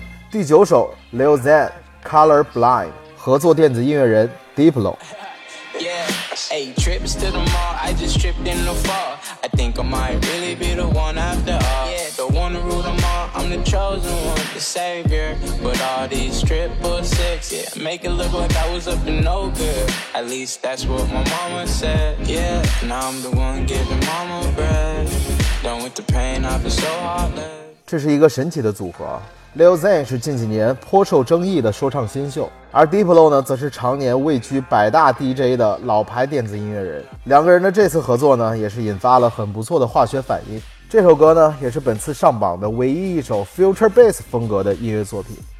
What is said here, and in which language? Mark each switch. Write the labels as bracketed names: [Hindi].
[Chinese] 第九首 Lil Z Color Blind 合作电子音乐人 Diplo。 [English] Hey, trips to the mall, I just tripped in the fall. I think I might really be the one after all. Yeah, the one to rule them all, I'm the chosen one, the savior. But all these triple six, yeah, make it look like I was up to no good. At least that's what my mama said, yeah. Now I'm the one giving mama bread. Done with the pain, I've been so heartless. [Chinese] 这是一个神奇的组合。 Lil Z 是近几年颇受争议的说唱新秀，而 Diplo 呢，则是常年位居百大 DJ 的老牌电子音乐人。两个人的这次合作呢，也是引发了很不错的化学反应。这首歌呢，也是本次上榜的唯一一首 Future Bass 风格的音乐作品。